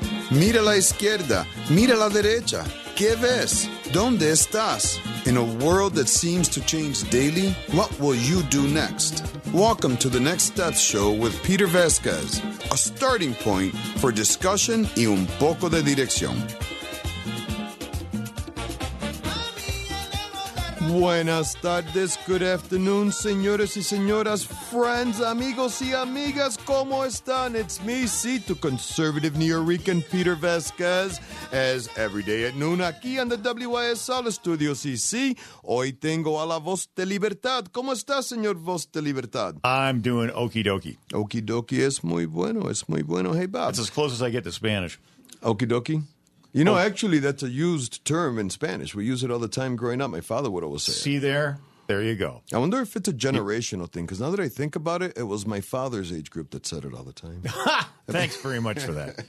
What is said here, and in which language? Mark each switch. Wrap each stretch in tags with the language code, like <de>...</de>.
<es>Mira a la izquierda, mira a la derecha. ¿Qué ves? ¿Dónde estás?</es> <en>In a world that seems to change daily, what will you do next? Welcome to the Next Steps Show with Peter Vasquez, a starting point for discussion</en> <es>y un poco de dirección. Buenas tardes,</es> <en>good afternoon,</en> <es>señores y señoras, friends, amigos y amigas, ¿cómo están?</es> <en>It's me, Cito, conservative New Yorker Peter Vasquez, as every day at noon,</en> <es>aquí en</es> <en>the WYSL Studio CC.</en> <es>Hoy tengo a la Voz de Libertad. ¿Cómo está, señor Voz de Libertad?</es> <en>I'm doing okie dokie. Okie dokie</en> <es>es muy bueno, es muy bueno.</es> <en>Hey, Bob. That's as close as I get to Spanish. Okie dokie. You know, actually, that's a used term in Spanish. We use it all the time growing up. My father would always say it. See there? There you go. I wonder if it's a generational thing, because now that I think about it, it was my father's age group that said it all the time. Thanks very much for that.</en>